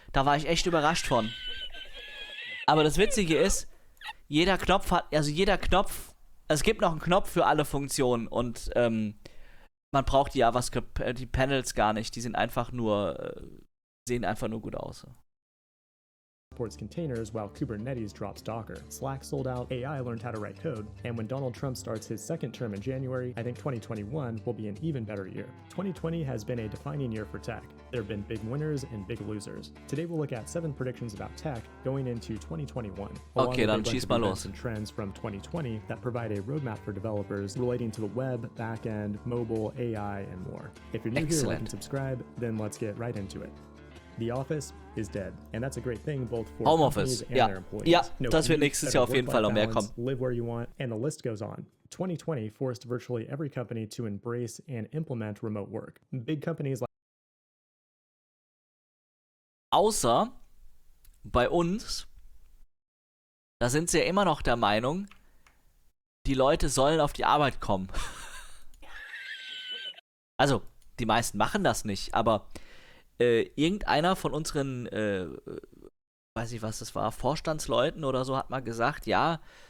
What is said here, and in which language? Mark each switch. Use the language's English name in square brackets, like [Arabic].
[German] Da war ich echt überrascht von. Aber das Witzige ist, es gibt noch einen Knopf für alle Funktionen und, man braucht die JavaScript, die Panels gar nicht. Die sehen einfach nur gut aus. [English] Supports containers, while Kubernetes drops Docker. Slack sold out, AI learned how to write code. And when Donald Trump starts his second term in January, I think 2021 will be an even better year. 2020 has been a defining year for tech. There have been big winners and big losers. Today we'll look at 7 predictions about tech going into 2021. [German] Okay, dann schieß mal los. [English] And trends from 2020 that provide a roadmap for developers relating to the web, backend, mobile, AI, and more. If you're new Excellent. Here, like and subscribe, then let's get right into it. The office is dead, and that's a great thing both for Home Office and [German] ja. [English] their employees. [German] Ja, no, das wird nächstes Jahr auf jeden Fall noch mehr kommen. [English] Live where you want, and the list goes on. 2020 forced virtually every company to embrace and implement remote work. Big companies like [German] Außer bei uns, da sind sie ja immer noch der Meinung, die Leute sollen auf die Arbeit kommen. Also, die meisten machen das nicht, aber irgendeiner von unseren, weiß ich was das war, Vorstandsleuten oder so hat mal gesagt, ja,